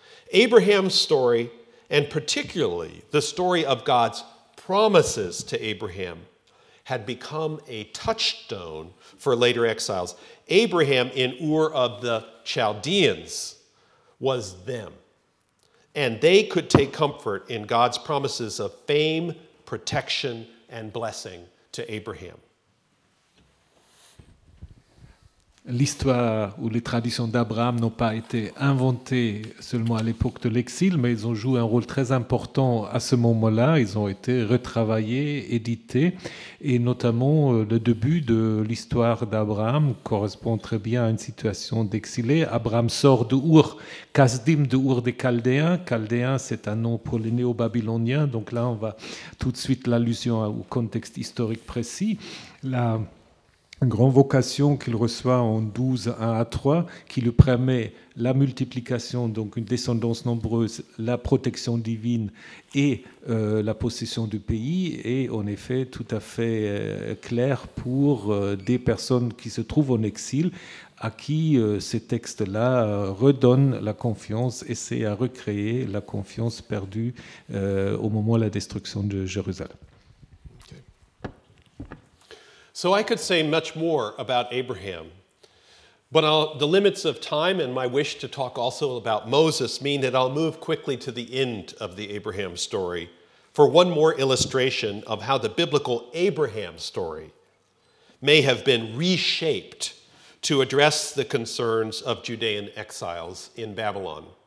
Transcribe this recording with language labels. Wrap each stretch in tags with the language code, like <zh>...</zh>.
<en>Abraham's story, and particularly the story of God's promises to Abraham, had become a touchstone for later exiles. Abraham in Ur of the Chaldeans was them. And they could take comfort in God's promises of fame, protection, and blessing to Abraham.</en> <fr>L'histoire ou les traditions d'Abraham n'ont pas été inventées seulement à l'époque de l'exil, mais ils ont joué un rôle très important à ce moment-là. Ils ont été retravaillés, édités, et notamment le début de l'histoire d'Abraham correspond très bien à une situation d'exilé. Abraham sort de Ur, Kasdim, de Ur des Chaldéens. Chaldéens, c'est un nom pour les néo-babyloniens, donc là on va tout de suite l'allusion au contexte historique précis. La grande vocation qu'il reçoit en 12, 1 à 3, qui lui permet la multiplication, donc une descendance nombreuse, la protection divine et la possession du pays, est en effet tout à fait clair pour des personnes qui se trouvent en exil, à qui ces textes-là redonnent la confiance, essaient à recréer la confiance perdue au moment de la destruction de Jérusalem.</fr> <en>So I could say much more about Abraham, but the limits of time and my wish to talk also about Moses mean that I'll move quickly to the end of the Abraham story for one more illustration of how the biblical Abraham story may have been reshaped to address the concerns of Judean exiles in Babylon.</en>